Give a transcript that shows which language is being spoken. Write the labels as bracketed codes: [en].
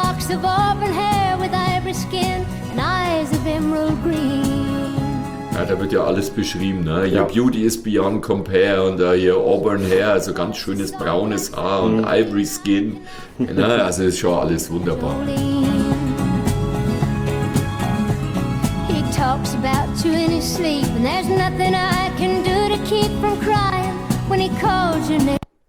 [en] Of auburn hair with ivory skin and eyes of emerald green. [de] Ja, da wird ja alles beschrieben, ne? [en] Your beauty is beyond compare [de] und ihr auburn hair, also ganz schönes braunes Haar und ivory skin. Ne? Also ist schon alles wunderbar. [en] He talks about you in his sleep and there's nothing I can do to keep from crying when he calls your name.